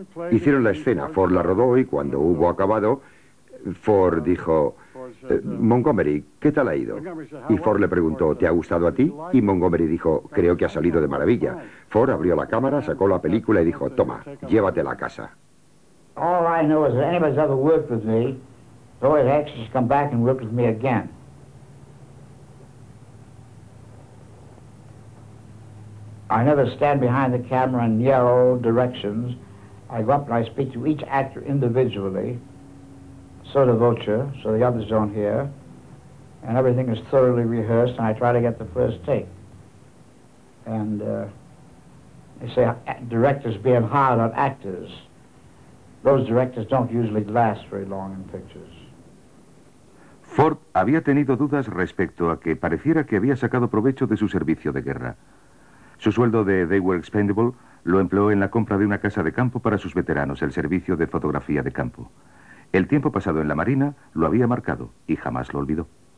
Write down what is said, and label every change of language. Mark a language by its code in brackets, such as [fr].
[es] Hicieron la escena, Ford la rodó y cuando hubo acabado, Ford dijo, Montgomery, ¿qué tal ha ido? Y Ford le preguntó, ¿te ha gustado a ti? Y Montgomery dijo, creo que ha salido de maravilla. Ford abrió la cámara, sacó la película y dijo, toma, llévatela a casa. [en] All I know is that anybody's ever worked with me, always anxious to come back and work with me again. I never stand behind the camera and yell directions. I go up and I speak to each actor individually. So the vulture, so the others don't hear. And everything is thoroughly rehearsed, and I try to get the first take. And they say directors being hard on actors. Those directors don't usually last very long in pictures. [es] Ford había tenido dudas respecto a que pareciera que había sacado provecho de su servicio de guerra. Su sueldo de They Were Expendable lo empleó en la compra de una casa de campo para sus veteranos, el servicio de fotografía de campo. El tiempo pasado en la Marina lo había marcado y jamás lo olvidó.